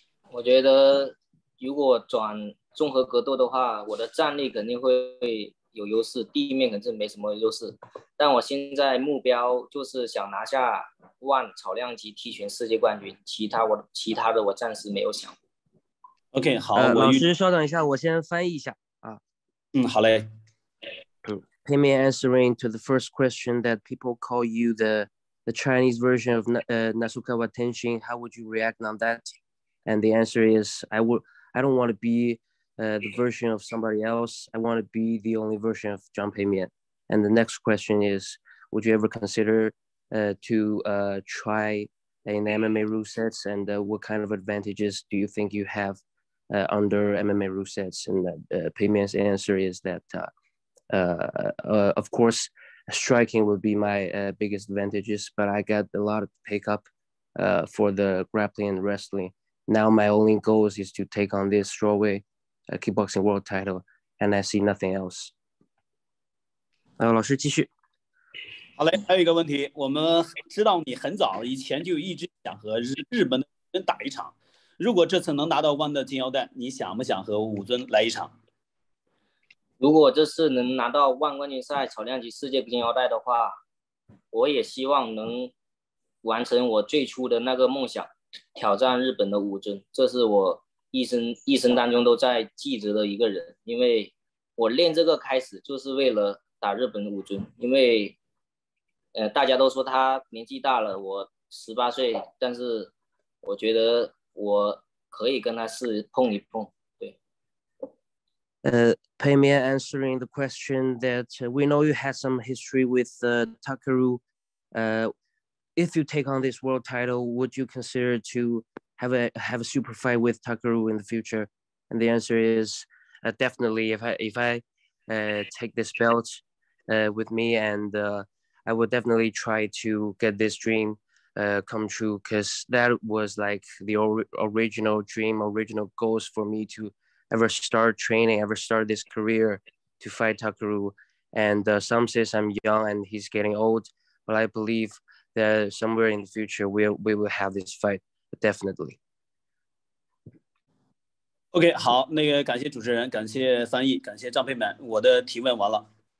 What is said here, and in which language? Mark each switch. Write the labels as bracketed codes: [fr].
[zh] 我觉得如果转综合格斗的话，我的战力肯定会有优势，地面肯定没什么优势。但我现在目标就是想拿下万草量级踢拳世界冠军，其他的我暂时没有想。 OK， 好，老师稍等一下，我先翻译一下啊。好嘞。 [en] Peimian answering to the first question that people call you the Chinese version of Nasukawa Tenshin. How would you react on that? And the answer is, I don't want to be the version of somebody else. I want to be the only version of Zhang Peimian. And the next question is, would you ever consider try in MMA rule sets? And what kind of advantages do you think you have under MMA rule sets? And Peimian's answer is that, of course, striking would be my biggest advantages, but I got a lot of pickup for the grappling and wrestling. Now my only goal is to take on this strawweight kickboxing world title, and I see nothing else. [zh] 老师继续。好嘞，还有一个问题，我们知道你很早以前就一直想和日本的武尊打一场，如果这次能拿到弯的金腰带，你想不想和武尊来一场？如果这次能拿到万冠军赛草量级世界金腰带的话，我也希望能完成我最初的那个梦想，挑战日本的武尊。这是我一生当中都在记着的一个人，因为我练这个开始就是为了打日本的武尊。因为大家都说他年纪大了，我18岁，但是我觉得我可以跟他试碰一碰。 [en] Peimian answering the question that we know you had some history with Takaru. If you take on this world title, would you consider to have a super fight with Takaru in the future? And the answer is definitely. If I take this belt with me, and I would definitely try to get this dream come true, because that was like the original dream, original goals for me to ever start training, ever start this career to fight Takaru. And some says I'm young and he's getting old, but I believe that somewhere in the future we will have this fight, definitely. [zh] OK, 好，那个感谢主持人，感谢翻译，感谢张佩满，我的提问完了。